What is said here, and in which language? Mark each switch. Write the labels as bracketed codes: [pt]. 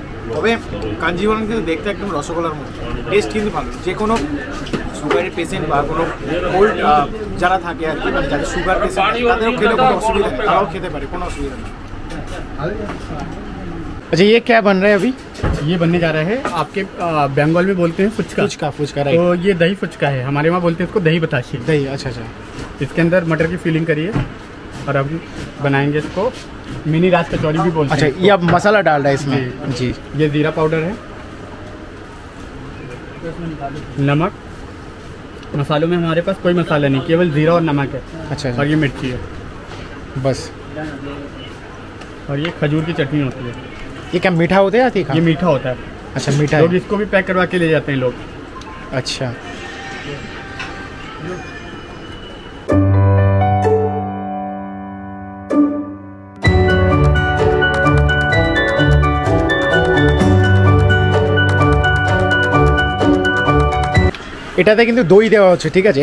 [bn] তবে কাঞ্জিভরম কিন্তু দেখতে একদম রসগোল্লার মতো, টেস্ট কিন্তু ভালো। যে কোনো সুগারের পেশেন্ট বা কোনো কোল্ড যারা থাকে আর কি, মানে যাদের সুগার পেশেন্ট, তাদেরও খেলে কোনো অসুবিধা নেই, তারাও খেতে পারে, কোনো অসুবিধা নেই। [hi] अच्छा, ये क्या बन रहा है अभी? ये बनने जा रहा है आपके बंगाल में बोलते हैं फुचका। फुचका, फुचका तो ये दही फुचका है, हमारे वहाँ बोलते हैं इसको दही बताशी। दही, अच्छा अच्छा। इसके अंदर मटर की फिलिंग करिए और अब बनाएंगे इसको। मिनी राज कचौड़ी भी बोलते हैं। अच्छा, ये अब मसाला डाल रहा है इसमें। जी, ये जीरा पाउडर है, नमक। मसालों में हमारे पास कोई मसाला नहीं, केवल जीरा और नमक है। अच्छा, और ये मिर्ची है बस। और ये खजूर की चटनी होती है। ये क्या मीठा होता है या तीखा? ये मीठा होता है। अच्छा, मीठा लोग इसको भी पैक करवा के ले जाते हैं लोग। [bn] अच्छा, এটাতে কিন্তু দই দেওয়া হচ্ছে, ঠিক আছে?